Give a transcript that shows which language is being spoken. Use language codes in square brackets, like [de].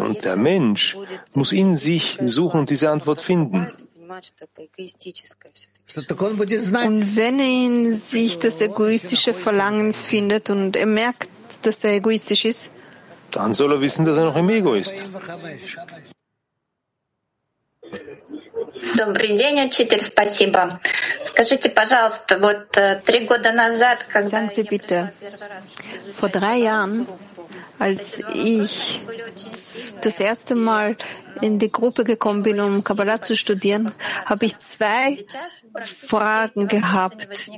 [de] Und der Mensch muss in sich suchen und diese Antwort finden. Und wenn er in sich das egoistische Verlangen findet und er merkt, dass er egoistisch ist, dann soll er wissen, dass er noch im Ego ist. [ru] Добрый день, учитель, спасибо. Скажите, пожалуйста, вот три года назад, когда [de] Sagen Sie bitte, vor drei Jahren, als ich das erste Mal in die Gruppe gekommen bin, um Kabbalah zu studieren, habe ich zwei Fragen gehabt.